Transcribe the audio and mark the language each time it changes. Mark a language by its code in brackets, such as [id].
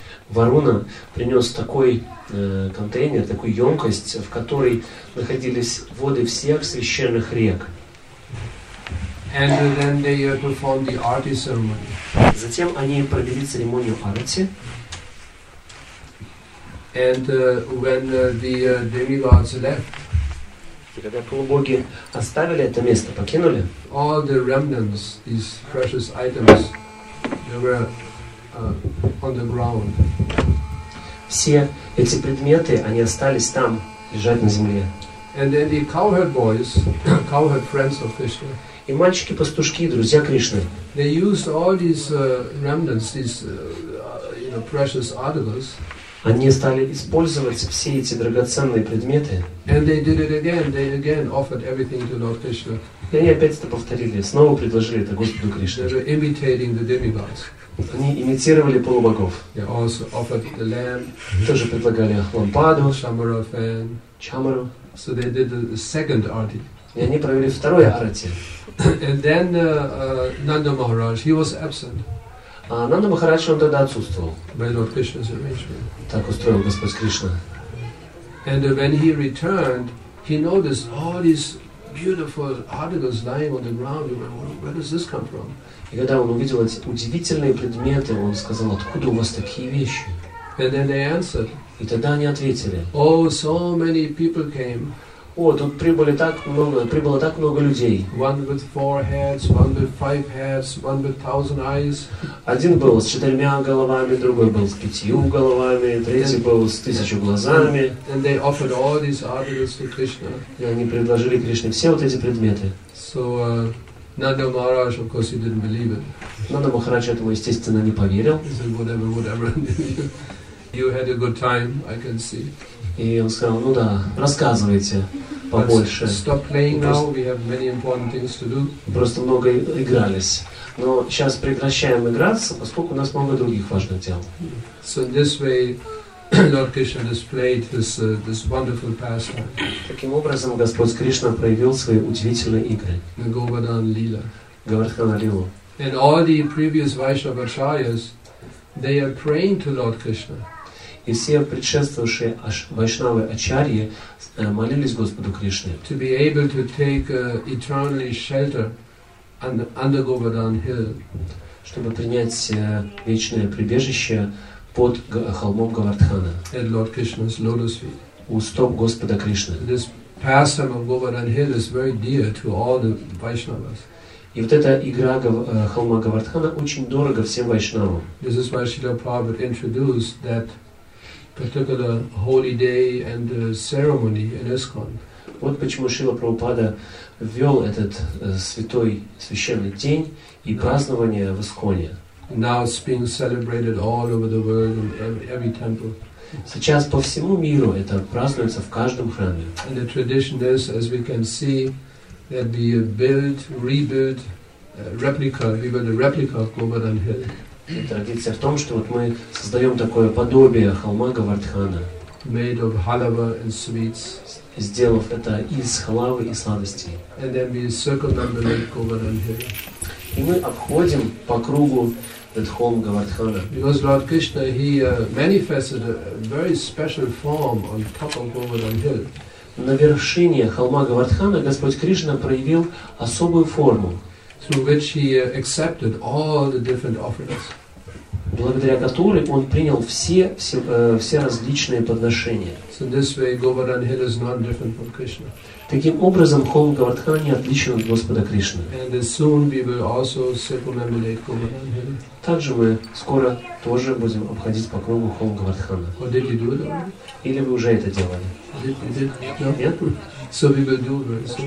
[ru] Варуна принес такой контейнер, такую емкость, в которой находились воды всех священных рек. [en] And then they perform the arati ceremony. [ru] Затем они провели церемонию арати. [en] And when the demigods left, [ru] когда полубоги оставили это место, покинули, [en] all the remnants, these precious items, they were on the ground. [ru] Все эти предметы, они остались там, лежать на земле. [en] And then the cowherd boys, cowherd friends of Krishna, [ru] и мальчики-пастушки, друзья Кришны, [en] they used all these remnants, these you know, precious articles. [ru] Они стали использовать все эти драгоценные предметы. [en] And they did it again. They again offered everything to Lord Krishna. [ru] И они опять это повторили, снова предложили это Господу Кришне. [en] They were imitating the demigods. [ru] Они имитировали полубогов. [en] They also offered the lamb. [ru] Тоже предлагали лампаду, [en] Chamara fan, [ru] Chamaru. [en] So they did the second arati. [ru] И они провели второе арати. [en] And then Nanda Maharaj, he was absent. [ru] А Нанда Махарадж, он тогда отсутствовал. [en] By Lord Krishna's arrangement. [ru] Так устроил Господь Кришна. [en] And when he returned, he noticed all these beautiful articles lying on the ground. He went, where does this come from? [ru] И когда он увидел эти удивительные предметы, он сказал, откуда у вас такие вещи? [en] And then they answered. [ru] И тогда они ответили. [en] Oh, so many people came. [ru] О, тут прибыли так много, прибыло так много людей. [en] One with four heads, one with five heads, one with thousand eyes. [ru] Один был с четырьмя головами, другой был с пятью головами, третий был с тысячу глазами. [en] And they offered all these articles to Krishna. [ru] И они предложили Кришне все вот эти предметы. [en] So Nanda Maharaj, of course, he didn't believe it. [ru] Нанда Махарадж этому, естественно, не поверил. [en] He said, whatever, whatever. You had a good time, I can see. [ru] И он сказал, ну да, рассказывайте побольше. [en] Stop playing now, we have many important things to do. [ru] Просто много игрались. Но сейчас прекращаем играться, поскольку у нас много других важных дел. [en] So this way, Lord Krishna displayed his, this wonderful pastime. [ru] Таким образом, Господь Кришна проявил свои удивительные игры. Говардхана лила. Говардхана лилу. [en] And all the previous Vaishnava acharyas, they are praying to Lord Krishna. [ru] И все предшествовавшие вайшнавы ачарьи молились Господу Кришне. [en] To be able to take eternally shelter under Govardhan Hill. [ru] Чтобы принять вечное прибежище под холмом Говардхана. [en] At Lord Krishna's lotus feet. [ru] У стоп Господа Кришны. [en] This pastime of Govardhan Hill is very dear to all the Vaishnavas. [ru] И вот эта игра холма Говардхана очень дорога всем вайшнавам. [en] This is why Srila Prabhupada introduced that particular holy day and ceremony in ISKCON. [ru] Вот почему Шрила Прабхупада ввел этот святой священный день и празднование в ИСККОНе. [en] Now it's being celebrated all over the world in every temple. [ru] Сейчас по всему миру это празднуется в каждом храме. [en] And the tradition is, as we can see, that we build, rebuild replica, we build a replica of Govardhan Hill. [ru] Традиция в том, что вот мы создаем такое подобие холма Говардхана, [en] made of halava and sweets, [ru] сделав это из халавы и сладостей. [en] And then we circumambulate Govardhan Hill. [ru] И мы обходим по кругу этот холм Говардхана. [en] Because Lord Krishna, he manifested a very special form on top of Govardhan Hill. [ru] На вершине холма Говардхана Господь Кришна проявил особую форму, [en] through which he accepted all the different offerings. [ru] Благодаря которой он принял все различные подношения. [en] So this way, Govardhan Hill is not different from Krishna. [ru] Таким образом, холм Говардхана не отличен от Господа Кришны. [en] And soon we will also circumambulate Govardhan Hill. [ru] Также мы скоро тоже будем обходить по кругу холм Говардхана. [en] Or did you do it? [ru] Или вы уже это делали? Нет? [en] So we will do it very soon.